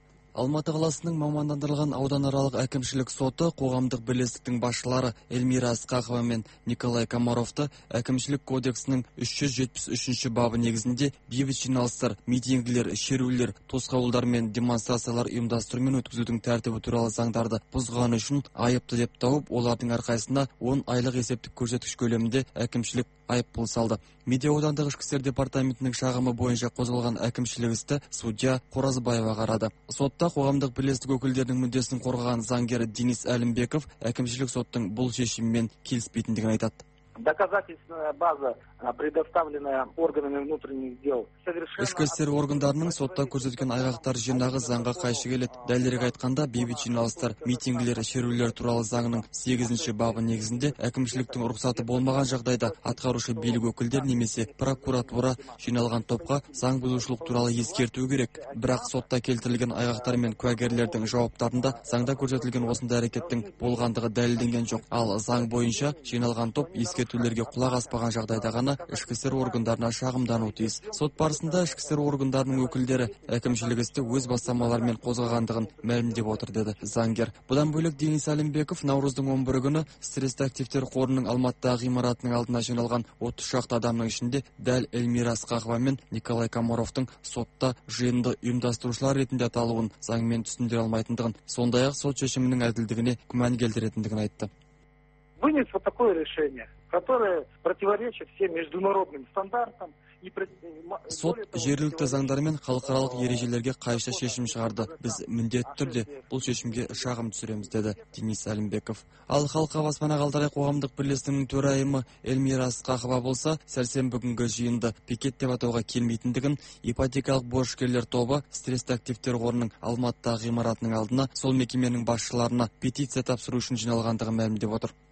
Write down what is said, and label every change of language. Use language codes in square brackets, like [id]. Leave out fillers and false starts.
[kk] Алматы қаласының мамандандырылған ауданаралық әкімшілік соты қоғамдық бірлестіктің басшылары Эльмира Ысқақова мен Николай Комаровты әкімшілік кодексінің 373-ші бабы негізінде бейбіт жиналыстар, митингілер, шерулер, тосқауылдар мен демонстрациялар ұйымдастыру мен өткізудің тәртібі туралы заңдарды бұзғаны үшін айыпты деп тауып, олардың арқасында 10 айлық есептік көрсеткіш көлемінде әкімшілік айыппұл салды. Медиа аудандық ішкі істер департаментінің шағымы бойынша қозғалған әкімшілік істі судья Қоразбаева қарады. Сотта қоғамдық бірлестік өкілдерінің мүддесін қорғаған заңгер Денис Әлімбеков әкімшілік соттың бұл шешімімен келіспейтіндігін айтады. [ru] Доказательственная база, предоставленная органами внутренних дел. [kk] Ішкі істер органдарының сотта көрсеткен айғақтар жинағы заңға қайшы келеді. Дәлірек айтқанда, бейбіт жиналыстар, митингілер, шерулер туралы заңының 8-ші бабы негізінде әкімшіліктің рұқсаты болмаған жағдайда атқарушы билік өкілдері немесе прокуратура жиналған топқа заң бұзушылық туралы ескерту керек. Бірақ сотта келтірілген айғақтар мен куәгерлердің жауаптарында заңда көрсетілген осындай әрекеттің болғандығы дәлелденген жоқ. Ал заң бойынша жиналған топ ескертулерге құлақ аспаған жағдайда ғана ішкі істер органдарына шағымдануы тиіс. Сот барысында ішкі істер органдарының өкілдері әкімшілік істі өз бастамаларымен қозғағандығын мәлімдеп отыр, деді заңгер. Бұдан бөлек Денис Әлімбеков наурыздың 11 күні стрессті активтер қорының Алматыдағы ғимаратының алдына жиналған 30 шақты адамның ішінде дәл Эльмира Ысқақова мен Николай Комаровтың сотта жиынды ұйымдастырушылар ретінде аталуын заңмен түсіндіре алмайтындығын, сондай-ақ сот шешімінің әділдігіне күмән келтіретіндігін айтты. [ru] Вынесло такое решение, которое противоречит всем международным стандартам. [kk] Сот жергілікті заңдар мен халықаралық ережелерге қайшы шешім шығарды. Біз міндетті түрде бұл шешімге шағым түсіреміз, деді Денис Әлімбеков. Ал халыққа баспана қалдырай қоғамдық бірлестігінің төрайымы Эльмира Ысқақова болса, сәрсенбі күнгі жиынды пикет деп атауға келмейтіндігін, ипотекалық борышкерлер тобы стрессті активтер қорының Алматыдағы ғимаратының алдына сол мекеменің басшыларына петиция тапсыру үшін жиналғандығын мәлімдеп отыр.